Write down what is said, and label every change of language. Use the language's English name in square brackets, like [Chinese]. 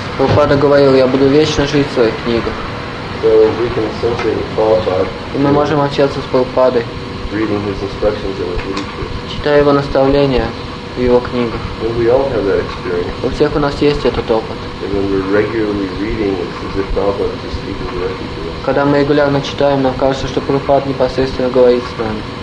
[Russian] Прабхупада говорил, я буду вечно жить в своих книгах. [English] So we can associate with Prabhupada. [Russian] И мы можем общаться с Прабхупадой. [English] Reading his instructions in his literature. [Russian] Читая его наставления в его книгах. [English] And we all have that experience. [Russian] У всех у нас есть этот опыт. [English] And when we're regularly reading, it's as if Prabhupada is speaking directly to us. [Russian] Когда мы регулярно читаем, нам кажется, что Прабхупада непосредственно говорит с нами.